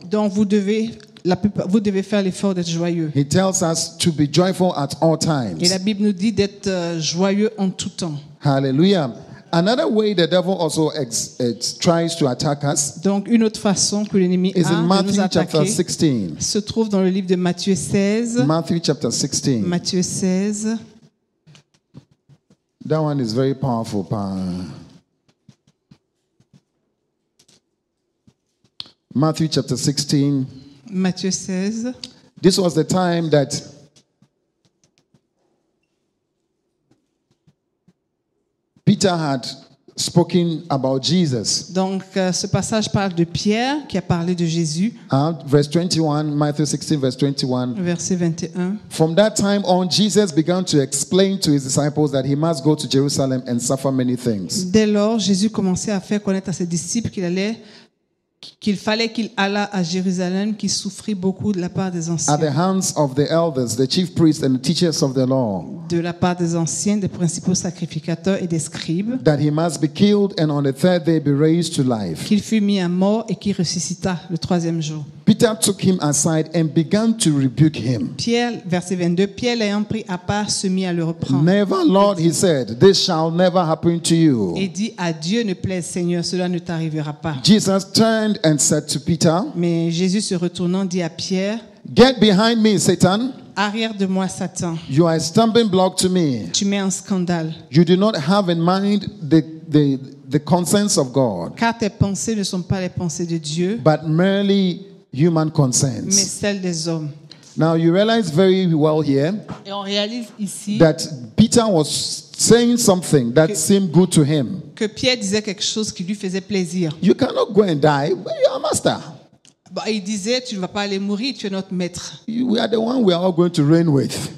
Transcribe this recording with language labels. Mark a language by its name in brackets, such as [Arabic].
[French] Donc vous devez faire l'effort d'être joyeux. [English] He tells us to be joyful at all times. [French] Et la Bible nous dit d'être joyeux en tout temps. [English] Hallelujah. Another way the devil also tries to attack us. [French] Donc une autre façon que l'ennemi [English] is in Matthew chapter 16. [French] Se trouve dans le livre de Matthieu 16. [English] Matthew chapter 16. [French] Matthieu 16. [English] That one is very powerful. Matthew chapter 16. [French] Matthieu 16. [English] This was the time that Peter had spoken about Jesus. [French] Donc ce passage parle de Pierre qui a parlé de Jésus. [English] Verse 21, Matthew 16 verse 21. [French] Verset 21. [English] From that time on Jesus began to explain to his disciples that he must go to Jerusalem and suffer many things. [French] Dès lors, Jésus commençait à faire connaître à ses disciples qu'il fallait qu'il allât à Jérusalem, qu'il souffrit beaucoup de la part des anciens. [English] At the hands of the elders, the chief priests and the teachers of the law. [French] De la part des anciens, des principaux sacrificateurs et des scribes. [English] That he must be killed and on the third day be raised to life. [French] Qu'il fut mis à mort et qu'il ressuscita le troisième jour. [English] Peter took him aside and began to rebuke him. [French] Pierre, verset 22, Pierre l'ayant pris à part, se mit à le reprendre. [English] Never, Lord, he said, this shall never happen to you. [French] Et dit, à Dieu ne plaise, Seigneur, cela ne t'arrivera pas. [English] Jesus turned and said to Peter, [French] mais Jésus se retournant dit à Pierre, [English] get behind me, Satan. [French] Arrière de moi, Satan. [English] You are a stumbling block to me. [French] Tu mets un scandale. [English] You do not have in mind the concerns of God. [French] Car tes pensées ne sont pas les pensées de Dieu. [English] But merely human concerns. [French] Mais celles des hommes. [English] Now you realize very well here [French] et on réalise ici [English] that Peter was saying something that seemed good to him. [French] Que Pierre disait quelque chose qui lui faisait plaisir. [English] You cannot go and die. Where are your master? [French] Bah, il disait, tu ne vas pas aller mourir, tu es notre maître. [English] You, we are the one we are all going to reign with.